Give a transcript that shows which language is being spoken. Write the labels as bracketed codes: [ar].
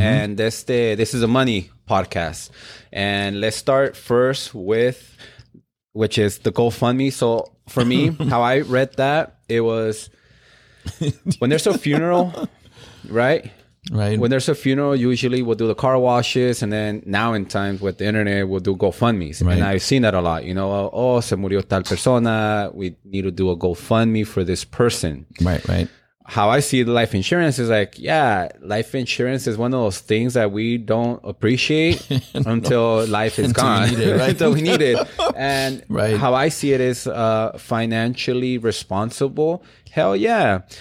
[en] And this is a money podcast. And let's start first with, which is the GoFundMe. So for me, how I read that, it was when there's a funeral, right? Right. When there's a funeral, usually we'll do the car washes. And then now in times with the internet, we'll do GoFundMes. Right. And I've seen that a lot. You know, [es] oh, se murió tal persona. [en] We need to do a GoFundMe for this person. Right, right. How I see the life insurance is like, yeah, life insurance is one of those things that we don't appreciate until life is gone. Until we need it. Right? Until we need it. And right. How I see it is financially responsible. Hell yeah.